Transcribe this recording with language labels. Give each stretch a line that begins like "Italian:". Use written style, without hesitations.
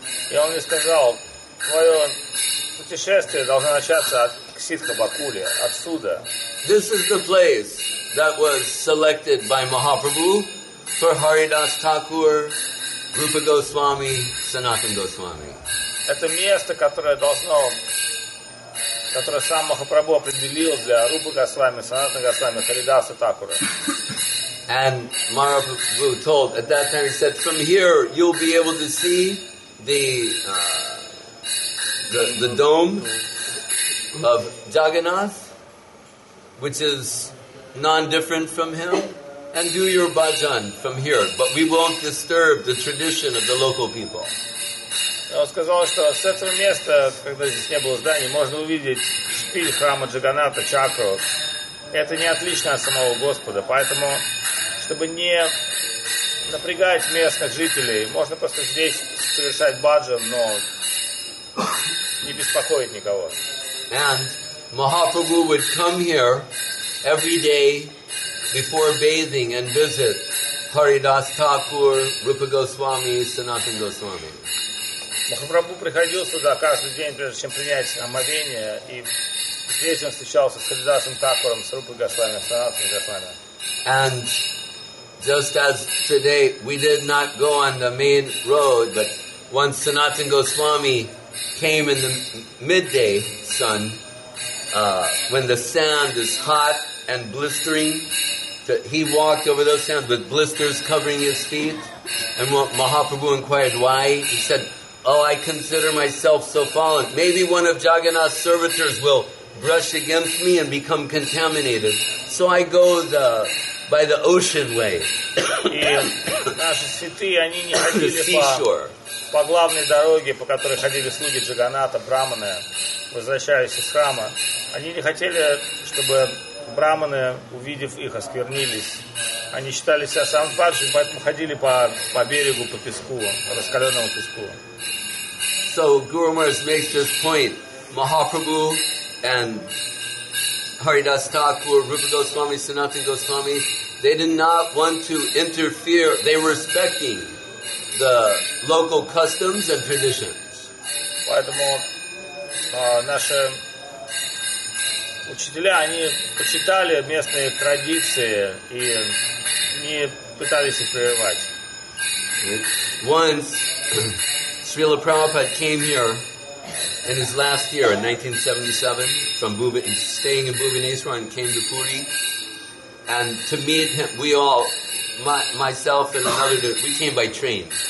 Russian: И он мне сказал, твое путешествие должно начаться от Сиддхабакули, отсюда.
English: This is the place that was selected by Mahaprabhu for Haridas Thakur, Rupa Goswami, Sanatan Goswami.
Russian: Это место, которое должно, которое сам Махапрабху определил для Рупы Госвами, Санатан Госвами, Харидаса Такура.
English: And Mahaprabhu told, at that time he said, from here you'll be able to see the dome of Jagannath, which is non-different from him. And do your bhajan from here, but we won't disturb the tradition of the local people.
Russian: Он сказал, что с этого места, когда здесь не было зданий, можно увидеть шпиль храма Джаганната, чакру. Это не отлично от самого Господа, поэтому, чтобы не напрягать местных жителей, можно просто здесь совершать бхаджан, но не беспокоить никого.
English: And Mahaprabhu would come here every day before bathing and visit Haridas Thakur, Rupa Goswami, Sanatan Goswami.
Russian: Махапрабху приходил сюда каждый день, прежде чем принять омовение, и здесь он встречался с Харидасом Такуром, с Рупой Госвами, с Санатаном Госвами.
English: And just as today we did not go on the main road, but once Sanatan Goswami came in the midday sun, when the sand is hot and blistering, that he walked over those sands with blisters covering his feet. And Mahaprabhu inquired why. He said, oh, I consider myself so fallen. Maybe one of Jagannath's servitors will brush against me and become contaminated. So I go by the ocean way. The seashore.
Russian: По главной дороге, по которой ходили слуги Джаганната, брахманы, возвращаясь из храма, они не хотели, чтобы брахманы, увидев их, осквернились. Они считали себя самбаджи, поэтому ходили по берегу, по песку, раскаленному песку.
English: So Guru Maharaj makes this point. Mahaprabhu and Haridas Thakur, Rupa Goswami, Sanatan Goswami, they did not want to interfere. They were respecting the local customs and traditions.
Russian: Поэтому наши учителя, они почитали местные традиции и не пытались их прерывать.
English: Once Srila Prabhupada came here in his last year in 1977 from staying in Bhubaneswar and came to Puri, and to meet him, we all, myself and another dude, we came by train.